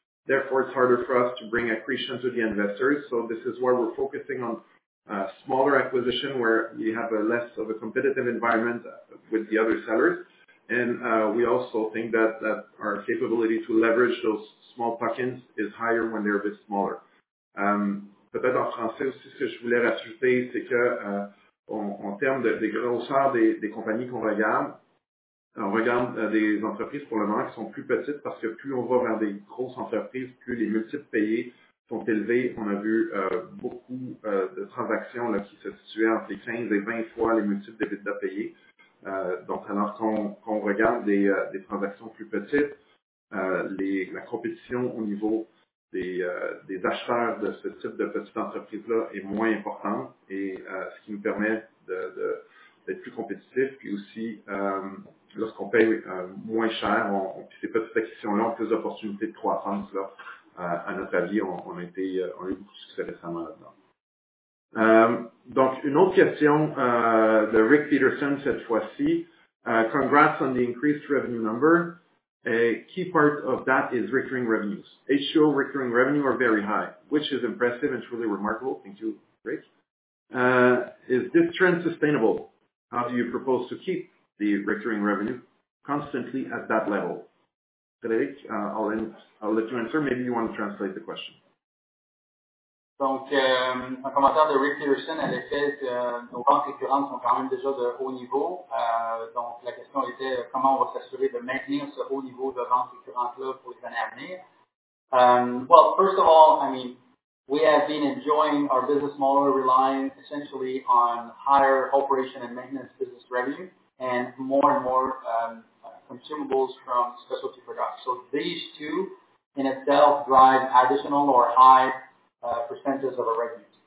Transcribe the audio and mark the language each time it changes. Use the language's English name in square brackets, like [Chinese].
[English] Therefore, it's harder for us to bring accretion to the investors. So this is why we're focusing on smaller acquisition where you have a less of a competitive environment with the other sellers. And we also think that, that our capability to leverage those small tokens is higher when they're a bit smaller. [French] Peut-être en français aussi, ce que je voulais rajouter, c'est que en termes de grosseur des compagnies qu'on regarde, on regarde des entreprises pour le moment qui sont plus petites parce que plus on va vers des grosses entreprises, plus les multiples payés sont élevés. On a vu beaucoup de transactions là, qui se situaient entre 15 et 20 fois les multiples d'EBITDA payés. Donc, alors qu'on regarde des transactions plus petites, la compétition au niveau des acheteurs de ce type de petite entreprise-là est moins importante, et ce qui nous permet d'être plus compétitif. Puis aussi, lorsqu'on paye moins cher, ces petites acquisitions-là ont plus d'opportunités de croissance. Là, à notre avis, on a eu beaucoup de succès récemment là-dedans. Donc, une autre question de Rick Peterson cette fois-ci. [English] Congrats on the increased revenue number. A key part of that is recurring revenues. H2O recurring revenue are very high, which is impressive and truly remarkable. Thank you, Rick. Is this trend sustainable? How do you propose to keep the recurring revenue constantly at that level? Frédéric, I'll let you answer. Maybe you want to translate the question. [French] Donc, un commentaire de Rick Peterson à l'effet que nos banques récurrentes sont quand même déjà de haut niveau. Donc, la question était comment on va s'assurer de maintenir ce haut niveau de banques récurrentes-là pour les années à venir. [English] Well, first of all, I mean, we have been enjoying our business model relying essentially on higher operation and maintenance business revenue and more consumables from specialty products. So these two in itself drive additional or high percentages of our revenues.